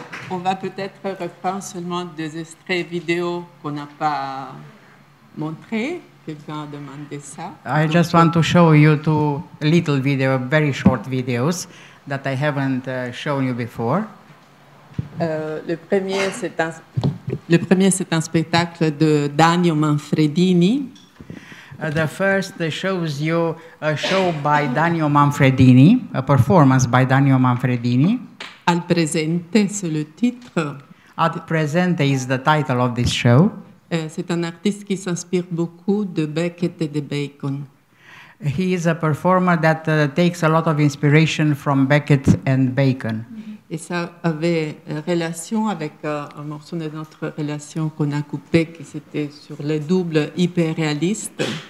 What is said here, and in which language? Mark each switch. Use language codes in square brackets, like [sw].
[fr] On va peut-être reprendre seulement deux extraits vidéo qu'on n'a pas montrés. Quelqu'un a demandé ça. [en] I just want to show you two little video, very short videos that I haven't shown you before. [fr] Le premier, c'est un spectacle de Danio Manfredini. [en] The first shows you a show by Danio Manfredini, a performance by Danio Manfredini. [fr] Al presente, c'est le titre. [en] Al presente is the title of this show. [fr] C'est un artiste qui s'inspire beaucoup de Beckett et de Bacon. [en] He is a performer that takes a lot of inspiration from Beckett and Bacon. [fr] Et ça avait relation avec un morceau de notre relation qu'on a coupé, qui c'était sur le double hyperréaliste.